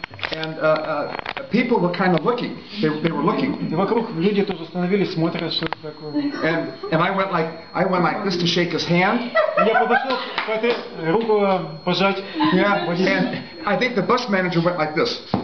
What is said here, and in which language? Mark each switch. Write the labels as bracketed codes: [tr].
[en] And people were kind of looking. They were looking. [ru] Вокруг люди тоже становились, смотрят, что это такое. [en] And I went like this to shake his hand. [ru] Я подошел, как-то руку пожать. [en] Yeah. And I think the bus manager went like this.